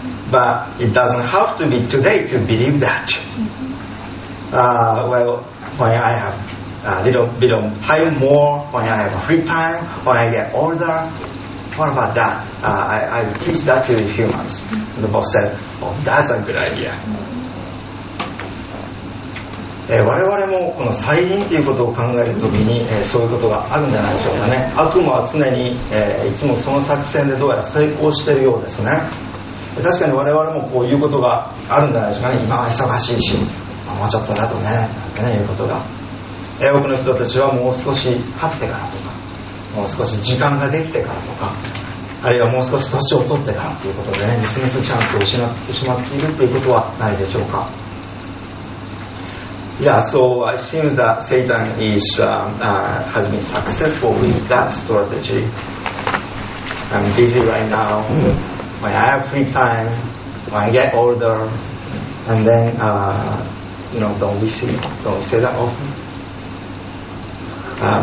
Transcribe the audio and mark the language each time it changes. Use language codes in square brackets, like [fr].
[en] But it doesn't have to be today to believe that. Well,when I have a little bit of time more, when I have free time, when I get older, what about that? I will teach that to the humans. The boss said, oh, that's a good idea. [ja] 我々もこの再臨ということを考えるときに、そういうことがあるんじゃないでしょうかね。悪魔は常に、いつもその作戦でどうやら成功しているようですね。確かに我々もこういうことがあるんじゃないでしょうかね。今は忙しいし、もうちょっとだとね、なんていうことが、多くの人たちはもう少し勝ってからとか、もう少し時間ができてからとか、あるいはもう少し年を取ってからということでね、ミスミスチャンスを失ってしまっているということはないでしょうか。 [en] Yeah, so it seems that Satan is, has been successful with that strategy. I'm busy right now. When I have free time, when I get older, and then, you know, don't we say that often?